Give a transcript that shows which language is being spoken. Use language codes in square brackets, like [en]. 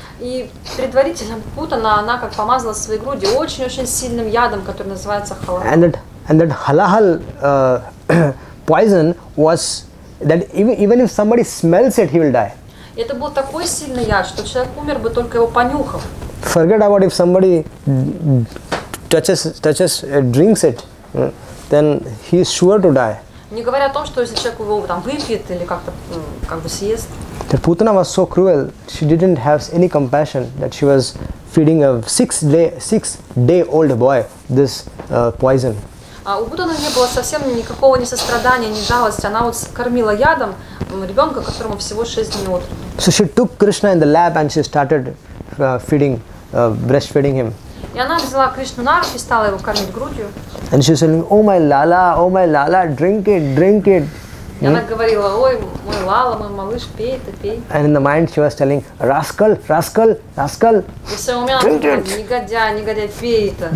[ru] И предварительно Путана, она как помазала свои груди очень-очень сильным ядом, который называется хала. [en] And that hala-hala poison was that even if somebody smells it, he will die. [ru] Это был такой сильный яд, что человек умер бы только его понюхав. [en] Forget about if somebody touches, drinks it, then he is sure to die. [ru] Не говоря о том, что если человек его там выпьет или как-то как бы съест. [en] The Putana was so cruel, she didn't have any compassion that she was feeding a six day old boy this poison. [ru] А у Путаны не было совсем никакого ни сострадания, ни жалости. Она вот кормила ядом ребенка, которому всего 6 дней от роду. [en] So she took Krishna in the lap and she started feeding, breastfeeding him. [ru] И она взяла Кришну на руки и стала его кормить грудью. [en] And she was saying, oh my lala, drink it. [ru] И она говорила, ой, мой лала, мой малыш, пей это, пей. [en] And in the mind she was telling, rascal. [ru] И в своем уме она сказала, негодяй, пей это.